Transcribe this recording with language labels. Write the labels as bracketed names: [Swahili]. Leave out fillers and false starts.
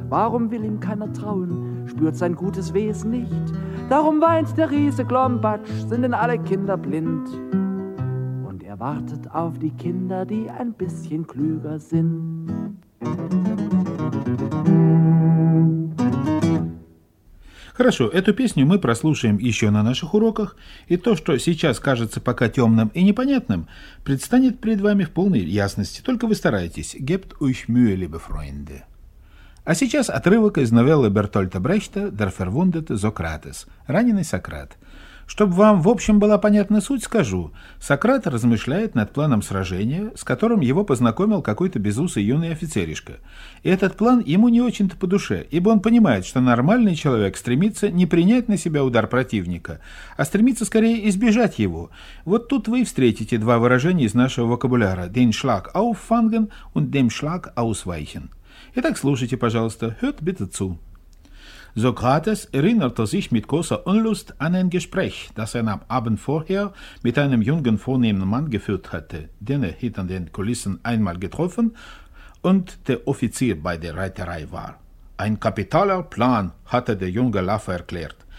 [German] Warum will ihm keiner trauen, spürt sein gutes Wesen nicht? Darum weint der Riese Klompatsch, sind denn alle Kinder blind? Und er wartet auf die Kinder, die ein bisschen klüger sind. [Russian] Хорошо, эту песню мы прослушаем еще на наших уроках, и то, что сейчас кажется пока темным и непонятным, предстанет перед вами в полной ясности, только вы старайтесь. [German] Gebt euch Mühe, liebe Freunde. [Russian] А сейчас отрывок из новеллы Бертольда Брехта [German] «Der verwundete Sokrates» [Russian] – «Раненый Сократ». Чтобы вам в общем была понятна суть, скажу. Сократ размышляет над планом сражения, с которым его познакомил какой-то безусый юный офицеришка. И этот план ему не очень-то по душе, ибо он понимает, что нормальный человек стремится не принять на себя удар противника, а стремится скорее избежать его. Вот тут вы и встретите два выражения из нашего вокабуляра [German] «den Schlag auffangen» [Russian] und [German] «den Schlag ausweichen». [Russian] Итак, слушайте, пожалуйста. [German] Hört bitte zu. Sokrates erinnerte sich mit großer Unlust an ein Gespräch, das er am Abend vorher mit einem jungen vornehmen Mann geführt hatte, den er hinter den Kulissen einmal getroffen und der Offizier bei der Reiterei war. Ein kapitaler Plan, hatte der junge Laffe erklärt.